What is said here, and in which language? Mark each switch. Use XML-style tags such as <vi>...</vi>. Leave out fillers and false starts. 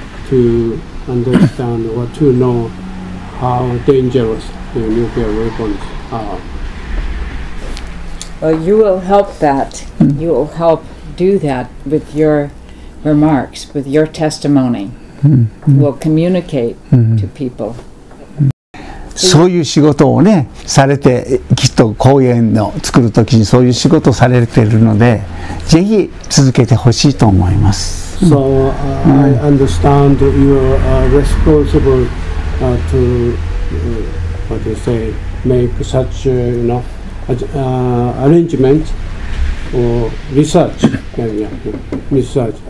<en>To understand or to know how dangerous the nuclear weapons are. Well, you will help that. You will help do that with your remarks, with your testimony. You will communicate to people.</en> <ja>そういう仕事をね、されて、きっと講演の作るときにそういう仕事をされているので、ぜひ続けてほしいと思います。</ja> <en>So, I understand you are responsible to, what do you say, make such, you know, arrangement or research. Research.</en>